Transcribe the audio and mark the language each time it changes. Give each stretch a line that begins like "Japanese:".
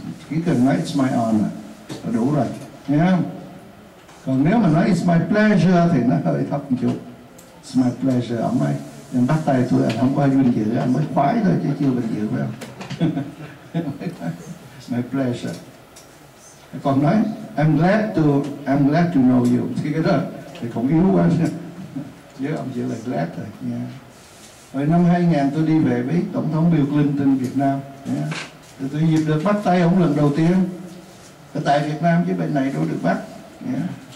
Vietnamese: Chỉ cần nói
English: it's my honor
Vietnamese: là đủ rồi. Yeah. Còn nếu mà nói
English: it's my pleasure
Vietnamese: thì nó hơi thấp một chút.
English: It's my pleasure,
Vietnamese: ông ấy. Em bắt tay tôi, anh không có vinh dự, anh mới khoái thôi chứ chưa vinh dự phải không?
English: My pleasure.
Vietnamese: Còn nói
English: I'm glad to know you.
Vietnamese: Thì cái đó thì cũng yếu quá. Chứ ông chỉ là glad thôi. Yeah. Rồi năm 2000 tôi đi về với Tổng thống Bill Clinton Việt Nam. Yeah. Thì tôi dịp được bắt tay ông lần đầu tiên. Ở tại Việt Nam với bên này tôi được bắt. Yeah.